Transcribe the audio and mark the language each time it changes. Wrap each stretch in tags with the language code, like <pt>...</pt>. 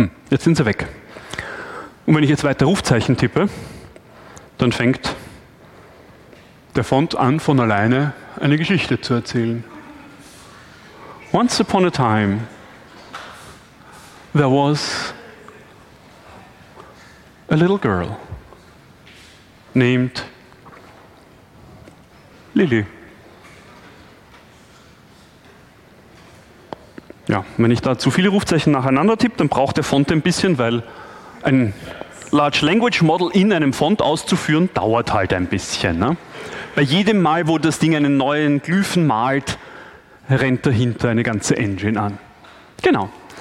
<de>Jetzt sind sie weg. Und wenn ich jetzt weiter Rufzeichen tippe, dann fängt der Font an, von alleine eine Geschichte zu erzählen.</de> <en>Once upon a time, there was a little girl named Lily.</en> <de>Ja, wenn ich da zu viele Rufzeichen nacheinander tippe, dann braucht der Font ein bisschen, weil ein Large Language Model in einem Font auszuführen, dauert halt ein bisschen. Ne? Bei jedem Mal, wo das Ding einen neuen Glyphen malt, rennt dahinter eine ganze Engine an. Genau.</de>